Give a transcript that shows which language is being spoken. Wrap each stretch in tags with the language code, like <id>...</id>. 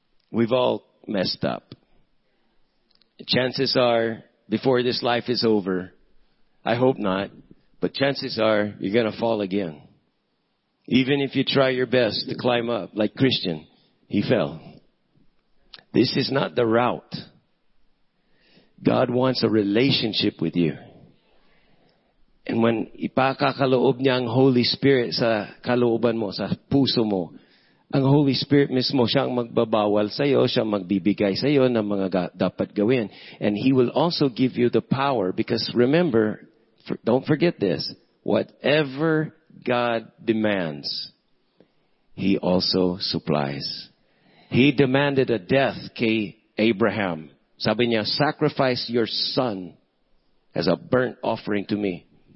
<en>We've all messed up. Chances are, before this life is over, I hope not, but chances are you're going to fall again. Even if you try your best to climb up, like Christian, he fell. This is not the route. God wants a relationship with you.</en> <tl>And when ipakakaloob niya ang Holy Spirit sa kalooban mo, sa puso mo, ang Holy Spirit mismo, siya ang magbabawal sa'yo, siya magbibigay sa'yo ng mga dapat gawin.</tl> <en>And He will also give you the power, because remember, don't forget this, whatever God demands, He also supplies. He demanded a death kay Abraham.</en> <tl>Sabi niya,</tl> <en>sacrifice your son as a burnt offering to me.</en>